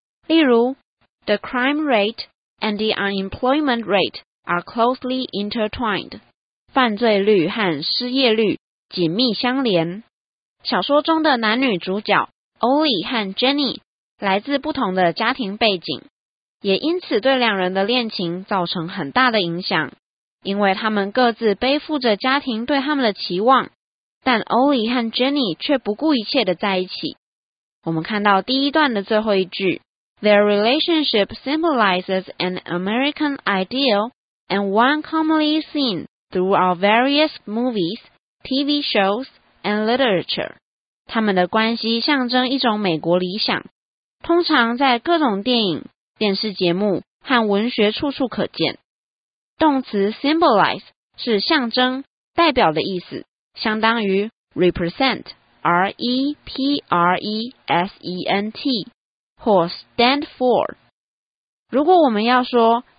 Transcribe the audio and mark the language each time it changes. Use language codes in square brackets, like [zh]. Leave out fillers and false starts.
[zh] 例如 [en] The crime rate and the unemployment rate are closely intertwined. [zh] 犯罪率和失业率紧密相连。小说中的男女主角 Ollie 和 Jenny 来自不同的家庭背景，也因此对两人的恋情造成很大的影响，因为他们各自背负着家庭对他们的期望，但 Ollie 和 Jenny 却不顾一切的在一起。我们看到第一段的最后一句， [en] Their relationship symbolizes an American ideal and one commonly seen through our various movies, TV shows, and literature. [zh] 他们的关系象征一种美国理想，通常在各种电影、电视节目和文学处处可见。动词 symbolize 是象征、代表的意思，相当于 represent, R-E-P-R-E-S-E-N-T。或 stand for。 如果我们要说